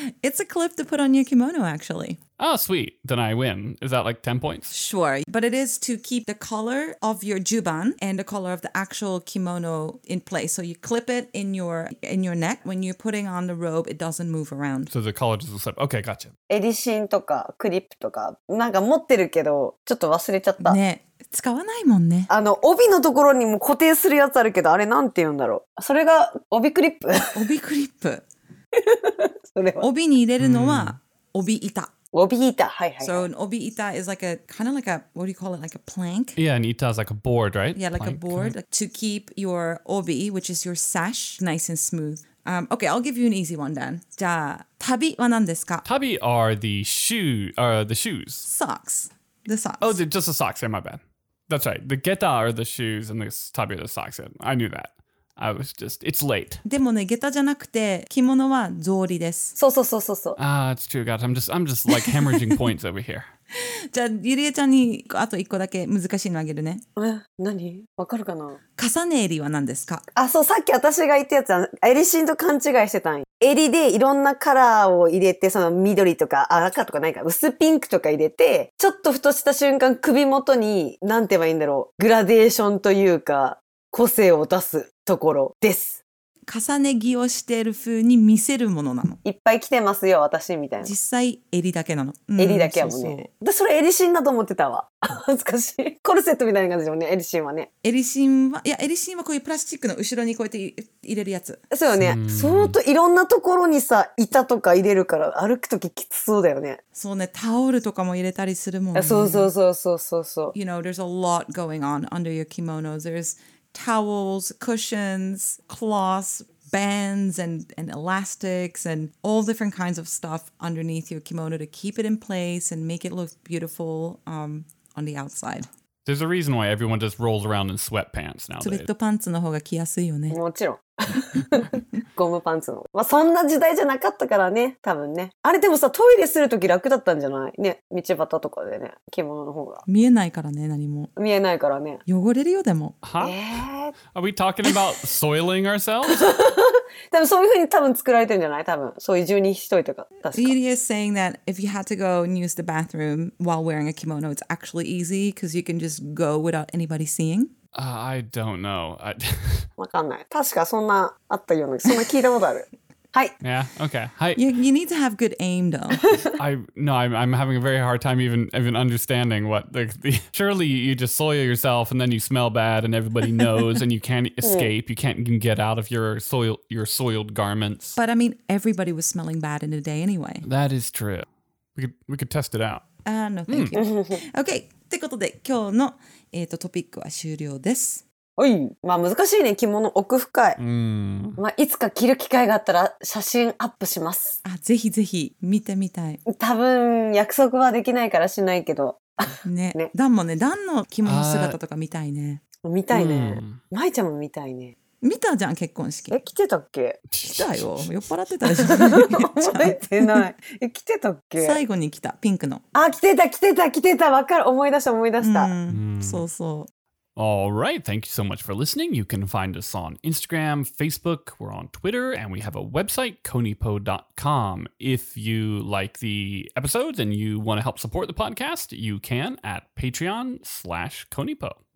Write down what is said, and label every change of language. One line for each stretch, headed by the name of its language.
English: It's a clip to put on your kimono, actually. Oh, sweet. Then I win. Is that like 10 points? Sure. But it is to keep the collar of your juban and the collar of the actual kimono in place. So you clip it in your neck. When you're putting on the robe, it doesn't move around. So the collar doesn't slip. Okay, gotcha.
Japanese: 襟芯とかクリップとかなんか持ってるけどちょっと忘れちゃった。ね。使わないもんね。あの帯のところにも固定するやつあるけど、あれなんて言うんだろう。それが帯クリップ。帯クリップ。それは帯に入れるのは帯板。帯板、はいはい、はい。
English: So an 帯板 is like a kind of like a what do you call it like a plank? Yeah, an 板 is like a board, right? Yeah, like、plank. a board to keep your 帯 which is your sash, nice and smooth. Okay, I'll give you an easy one then.
Japanese: じゃあ旅は何ですか？
English: 旅 are the shoe, the shoes. Socks, the socks. Oh, just the socks. Yeah, my bad. That's right. The geta are the shoes and the tabi are the socks. I knew that. I was just... It's late.
Japanese: でもね、geta じゃなくて kimono は草履です。そうそうそうそうそう。
English: Ah, it's true. God, I'm just like hemorrhaging points over here.
Japanese: じゃあ、ゆりえちゃんにあと一個だけ難しいのあげるね。何？わかるかな？重ね襟は何ですか？あ、そう、さっき私が言ったやつは襟芯と勘違いしてたんよ。襟でいろんなカラーを入れて、その緑とか赤とかないか、薄ピンクとか入れて、ちょっとふとした瞬間首元に、なんて言えばいいんだろう、グラデーションというか、個性を出すところです。重ね着をしている風に見せるものなの。いっぱい着てますよ私みたいな。実際襟だけなの、うん、襟だけやもんね。そうそう、私それ襟芯だと思ってたわ。恥ずかしい。コルセットみたいな感じでもね、襟芯はね。襟芯は、いや襟芯はこういうプラスチックの後ろにこうやって入れるやつ。そうよね、相当いろんなところにさ板とか入れるから歩くとききつそうだよね。そうね、タオルとかも入れたりするもんね。そうそうそうそうそうそう。
English: You know, there's a lot going on under your kimono. There'sTowels, cushions, cloths, bands, and elastics, and all different kinds of stuff underneath your kimono to keep it in place and make it look beautiful, on the outside. There's a reason why everyone just rolls around in sweatpants nowadays.
Japanese: スウェットパンツの方が着やすいよね。もちろん。ゴムパンツの。まあそんな時代じゃなかったからね、多分ね。あれでもさ、トイレするとき楽だったんじゃない？ね、道端とかでね、着物の方が。見えないからね、何も。見えないからね。汚れるよでも。
English: Huh? Are we talking about soiling ourselves?
Japanese: 多分そういう風に多分作られてるんじゃない？多分そういう十二人とか。
English: Didi is saying that if you had to go and use the bathroom while wearing a kimono, it's actually easy because you can just go without anybody seeing. I don't know.
Japanese: わかんない。確かそんなあったような、そんな聞いたことある。はい。
English: Yeah, okay. Hi. You need to have good aim, though. I'm having a very hard time even understanding what the surely you just soil yourself and then you smell bad and everybody knows and you can't escape. You can't even get out of your soiled garments. But I mean, everybody was smelling bad in the day anyway. That is true. We could test it out. No, thank you. Okay.
Japanese: ってことで今日の、トピックは終了です。おい、まあ難しいね、着物奥深い。うん。まあいつか着る機会があったら写真アップします。あ、ぜひぜひ見てみたい。多分約束はできないからしないけど。ね。ね。ダンもね、ダンの着物姿とか見たいね。見たいね。舞ちゃんも見たいね。見たじゃん結婚式。え、来てたっけ。来たよ、酔っ払ってたでしょ。覚えてない。え、来てたっけ。最後に来た、ピンクの。あ、来てた来てた来てた、分かる、思い出した思い出した。うん、そうそう。
English: All right, thank you so much for listening. You can find us on Instagram, Facebook, we're on Twitter, and we have a website, konipo.com. If you like the episodes and you want to help support the podcast, you can at patreon.com/konipo.